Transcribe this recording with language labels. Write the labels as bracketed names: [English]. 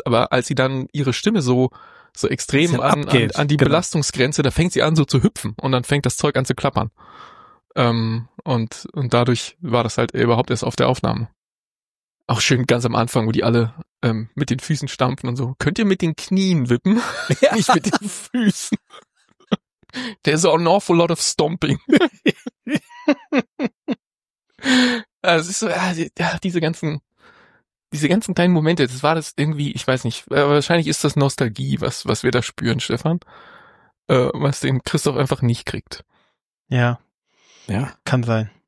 [German] Aber als sie dann ihre Stimme so extrem an die Belastungsgrenze, da fängt sie an so zu hüpfen und dann fängt das Zeug an zu klappern. Und dadurch war das halt überhaupt erst auf der Aufnahme. Auch schön ganz am Anfang, wo die alle mit den Füßen stampfen und so. Könnt ihr mit den Knien wippen? Ja. Nicht mit den Füßen. [English] There's an awful lot of stomping. [German] Also es ist so, ja, diese ganzen kleinen Momente, das war das irgendwie, ich weiß nicht, wahrscheinlich ist das Nostalgie, was wir da spüren, Stefan. Was den Christoph einfach nicht kriegt. Ja. Ja. Kann sein.